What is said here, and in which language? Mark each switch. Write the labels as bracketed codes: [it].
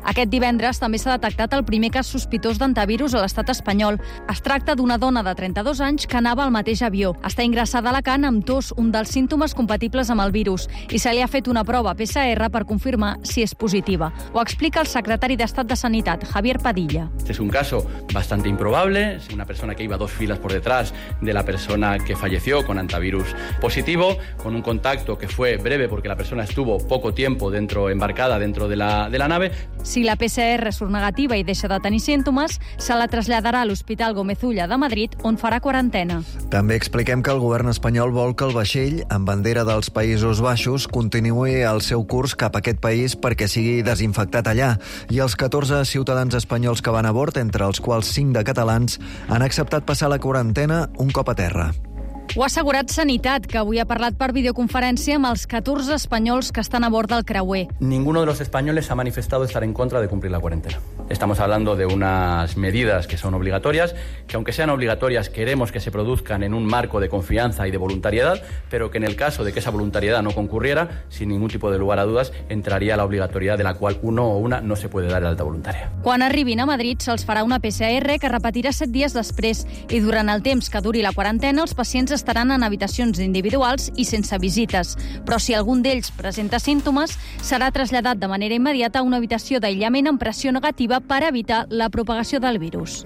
[ca] Aquest divendres també s'ha detectat el primer cas sospitós d'antivirus a l'estat espanyol. Es tracta d'una dona de 32 anys que anava al mateix avió. Està ingressada a Alacant amb tos, un dels símptomes compatibles amb el virus, i se li ha fet una prova PCR per confirmar si és positiva. Ho explica el secretari d'Estat de Sanitat, Javier Padilla. [es] Este es un caso bastante improbable, es una persona que iba dos filas por detrás de la persona que falleció con antivirus positivo, con un contacto que fue breve porque la persona estuvo poco tiempo dentro embarcada dentro de la nave. [ca] Si la PCR surt negativa i deixa de tenir símptomes, se la traslladarà a l'Hospital Gómez Ulla de Madrid, on farà quarantena. També expliquem que el govern espanyol vol que el vaixell, amb bandera dels Països Baixos, continuï el seu curs cap a aquest país perquè sigui desinfectat allà. I els 14 ciutadans espanyols que van a bord, entre els quals 5 de catalans, han acceptat passar la quarantena un cop a terra. Ho ha assegurat Sanitat, que avui ha parlat per videoconferència amb els 14 espanyols que estan a bord del creuer. [es] Ninguno de los españoles ha manifestado estar en contra de cumplir la cuarentena. Estamos hablando de unas medidas que son obligatorias, que aunque sean obligatorias queremos que se produzcan en un marco de confianza y de voluntariedad, pero que en el caso de que esa voluntariedad no concurriera, sin ningún tipo de lugar a dudas, entraría la obligatoriedad de la cual uno o una no se puede dar alta voluntaria. [ca] Quan arribin a Madrid, se'ls farà una PCR que repetirà 7 dies després, i durant el temps que duri la quarantena, els pacients estaran en habitacions individuals i sense visites. Però si algun d'ells presenta símptomes, serà traslladat de manera immediata a una habitació d'aïllament amb pressió negativa per evitar la propagació del virus.